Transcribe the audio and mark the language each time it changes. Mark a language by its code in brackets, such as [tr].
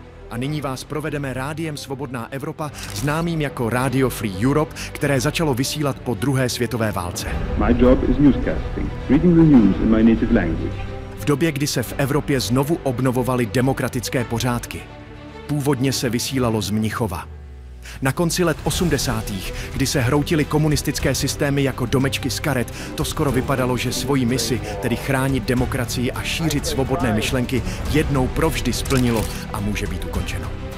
[cs] A nyní vás provedeme rádiem Svobodná Evropa, známým jako Radio Free Europe, které začalo vysílat po druhé světové válce. [en] My job is newscasting, reading the news in my native language. [cs] V době, kdy se v Evropě znovu obnovovaly demokratické pořádky. původně se vysílalo z Mnichova. Na konci let 80., kdy se hroutily komunistické systémy jako domečky z karet, to skoro vypadalo, že svoji misi, tedy chránit demokracii a šířit svobodné myšlenky, jednou provždy splnilo a může být ukončeno.